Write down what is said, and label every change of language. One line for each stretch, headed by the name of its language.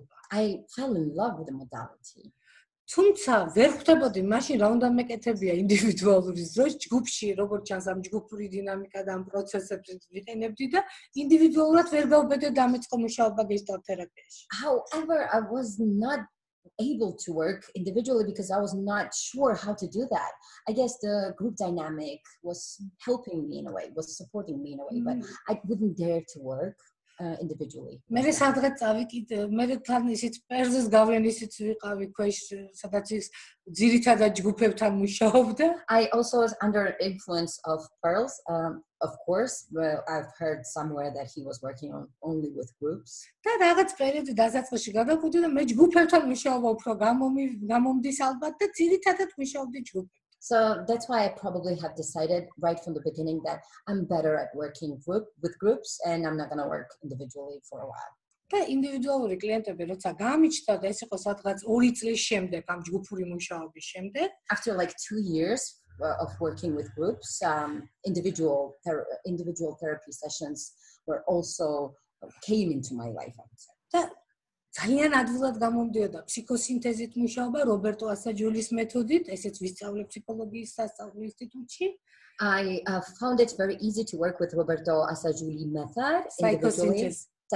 English: I fell in love with the modality.
Georgian: თუმცა ვერ ხვდებოდი მაშინ რა უნდა მეკეთებია ინდივიდუალური ზოს ჯგუფში როგორც ჩანს ამ ჯგუფური დინამიკა და ამ პროცესებს ვიყენებდი და ინდივიდუალურად ვერ გავბედე დამეწყო მუშაობა Gestalt თერაპიაში.
English: However, I was not able to work individually because I was not sure how to do that. I guess the group dynamic was helping me in a way, was supporting me in a way, but I wouldn't dare to work individually.
Georgian: მე სადღაც წავიკით, მე თან ისიც პერზეს გავლენისიც ვიყავი ქვეშ, სადაც ის ძირითადად ჯგუფებთან მუშაობდა.
English: I also was under influence of Pearls. Of course, well, I've heard somewhere that he was working only with groups.
Georgian: და რაღაც პერიოდი დასაწყისში გადაკვირდი და მე ჯგუფებთან მუშაობა უფრო გამომდის ალბათ და ძირითადად მუშაობდი ჯგუფებთან.
English: So that's why I probably have decided right from the beginning that I'm better at working with groups and I'm not going to work individually for a while.
Georgian: და ინდივიდუალური კლიენტები როცა გამიჩნდა და ეს იყო სადღაც 2 წლის შემდეგ ამ ჯგუფური მუშაობის შემდეგ.
English: After like 2 years of working with groups, individual therapy sessions were also came into my life, I would say.
Georgian: ძალიან ადვილად გამომდიოდა ფსიქოსინთეზით მუშაობა რობერტო ასაჯულის მეთოდით, ესეც ვისწავლე ფსიქოლოგიის სასწავლო ინსტიტუტში.
English: I found it very easy to work with Roberto Asajuli method, psychosynthesis.